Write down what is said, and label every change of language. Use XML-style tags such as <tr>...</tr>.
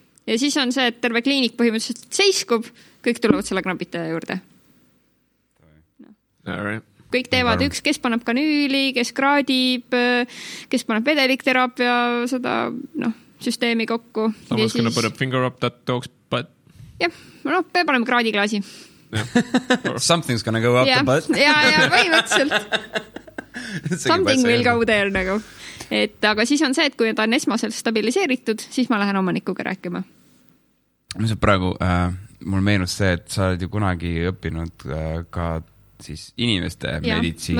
<et>Ja siis on see, et terve kliinik põhimõtteliselt seiskub, kõik tulevad selle krambitaja juurde.</et> <en>No. All right.</en> <et>Kõik teevad üks, kes paneb kanüüli, kes kraadib, kes paneb vedelikteraapia seda no, süsteemi kokku.</et> <en>I was going to put a finger up that dog's butt.</en> <et>Jah, no, peab olema kraadiklaasi.</et> <en>Yeah. Something's going to go up the butt.</en> <et>Jah, jah, põhimõtteliselt.</et> <en>Something will go there</en> <et>nagu. Et, aga siis on see, et kui ta on esmaselt stabiliseeritud, siis ma lähen omanikuga rääkima. Mis on praegu, mul meenus see, et sa oled ju kunagi õppinud ka siis inimeste meditsiini.</et>